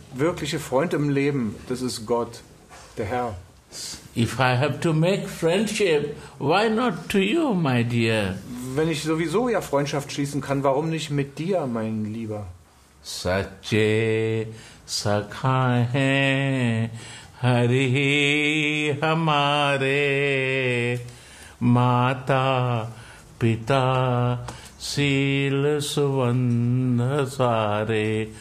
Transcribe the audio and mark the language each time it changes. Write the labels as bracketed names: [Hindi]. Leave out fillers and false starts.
[German] Wirkliche Freund im Leben, das ist Gott, der Herr. [English] If I have to make friendship, why not to you, my dear? [German] Wenn ich sowieso ja Freundschaft schließen kann, warum nicht mit dir, mein Lieber? [Hindi] सच्चे सखा हैं हरि हमारे माता पिता seal सुवंध सारे.